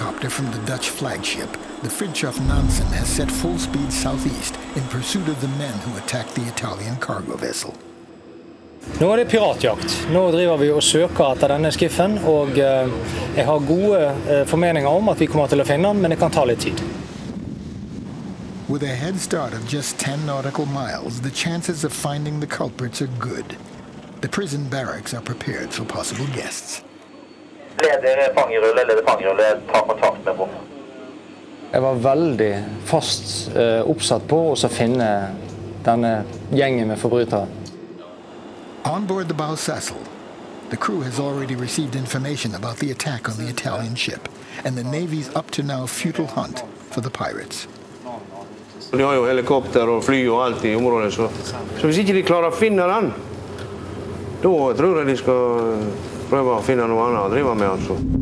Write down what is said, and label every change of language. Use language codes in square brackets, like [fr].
[en] From the Dutch flagship, the Fridtjof Nansen has set full speed southeast in pursuit of the men who attacked the Italian cargo vessel. [no] Nå er det piratjakt. Nå driver vi og søker etter denne skiffen, og jeg har gode formeninger om at vi kommer til å finne den, men det kan ta litt tid. [en] With a head start of just 10 nautical miles, the chances of finding the culprits are good. The prison barracks are prepared for possible guests. [no] Jeg var veldig fast oppsatt på å finne denne gjengen med forbrytere. [en] On board the Bow Cecil, the crew has already received information about the attack on the Italian ship and the Navy's up-to-now futile hunt for the pirates. [no] Vi har jo helikopter og fly og alt i området, så hvis ikke de klarer å finne den, da tror jeg de skal prøve å finne noe annet å drive med, altså.